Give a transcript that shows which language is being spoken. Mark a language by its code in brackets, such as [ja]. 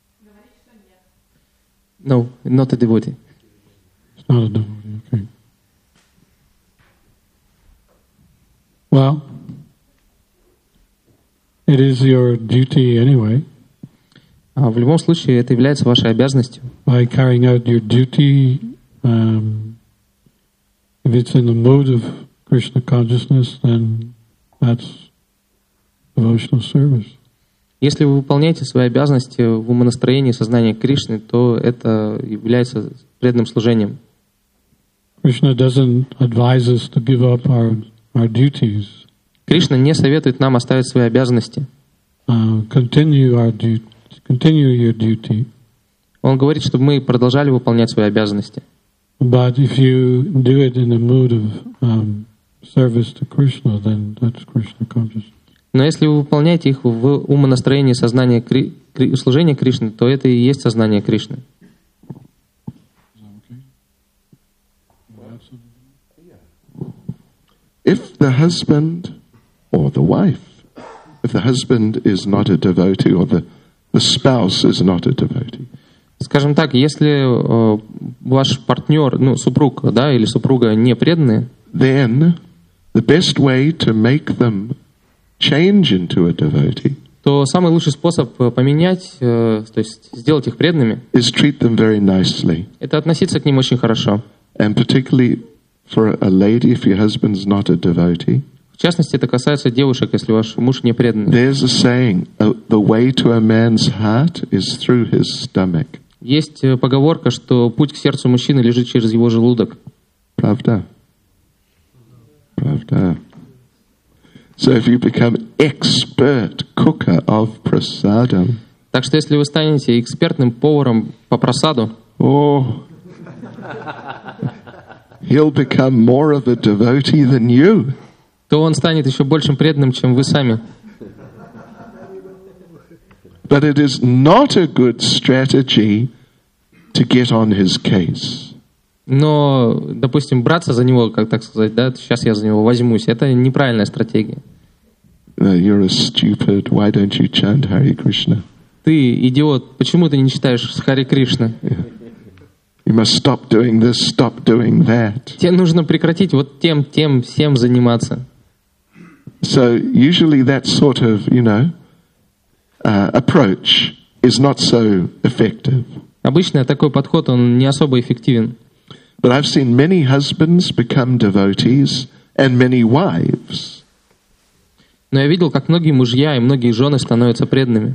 [ru] нет. [en] No, not a devotee. It's not a devotee, okay. Well, it is your duty anyway. [ru] В любом случае, это является вашей обязанностью. [en] By carrying out your duty, if it's in the mood of Krishna consciousness, then that's devotional service. [ru] Если вы выполняете свои обязанности в умонастроении сознания Кришны, то это является преданным служением. [en] Krishna doesn't advise us to give up our duties. [ru] Кришна не советует нам оставить свои обязанности. [en] Continue your duty. [ru] Он говорит, чтобы мы продолжали выполнять свои обязанности. [en] But if you do it in a mood of service to Krishna, then that's Krishna consciousness. [ru] Но если вы выполняете их в умонастроении сознания служения Кришне, то это и есть сознание Кришны. [en] If the husband or the wife, if the husband is not a devotee or the spouse is not a devotee. [ru] Скажем так, если ваш партнер, ну, супруг, да, или супруга не преданные, [en] then the best way to make them change into a devotee, [ru] то самый лучший способ поменять, то есть сделать их преданными, [en] is treat them very nicely. [ru] Это относиться к ним очень хорошо. [en] And particularly for a lady, if your husband's not a devotee. [ru] В частности, это касается девушек, если ваш муж не преданный. [en] There's a saying, the way to a man's heart is through his stomach. [ru] Есть поговорка, что путь к сердцу мужчины лежит через его желудок. Правда? Правда. [en] So if you become expert cooker of prasadam. [ru] Так что если вы станете экспертным поваром по прасаду. Oh. [en] He'll become more of a devotee than you. [ru] То он станет еще большим преданным, чем вы сами. [en] But it is not a good strategy to get on his case. [ru] Но, допустим, браться за него, как так сказать, да, сейчас я за него возьмусь, это неправильная стратегия. [en] You're a stupid. Why don't you chant Hare Krishna? [ru] ты, идиот, почему ты не читаешь Харе Кришна? [en] You must stop doing this, stop doing that. [ru] Тебе нужно прекратить вот тем, тем, всем заниматься. [en] So usually that sort of, you know, approach is not so effective. [ru] Обычно такой подход, он не особо эффективен. [en] But I've seen many husbands become devotees and many wives. [ru] Но я видел, как многие мужья и многие жены становятся преданными.